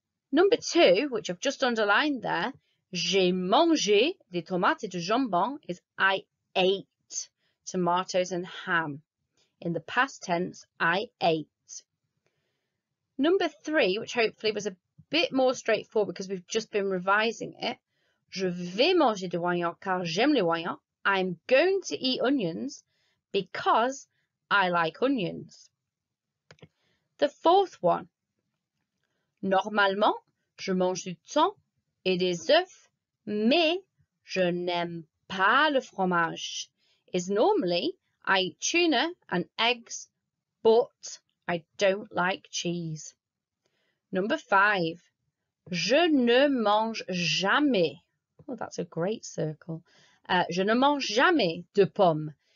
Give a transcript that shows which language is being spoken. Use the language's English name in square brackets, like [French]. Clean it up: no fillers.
[English] Number 2, which I've just underlined there, [French] j'ai mangé des tomates et du jambon, [English] is I ate tomatoes and ham. In the past tense, I ate. Number 3, which hopefully was a bit more straightforward because we've just been revising it. [French] Je vais manger des oignons car j'aime les oignons. [English] I'm going to eat onions because I like onions. The 4th one. [French] Normalement, je mange du thon et des œufs, mais je n'aime pas le fromage. [English] Is normally, I eat tuna and eggs, but I don't like cheese. Number 5. [French] Je ne mange jamais. [English] Oh, that's a great circle. [French] Je ne mange jamais de pommes.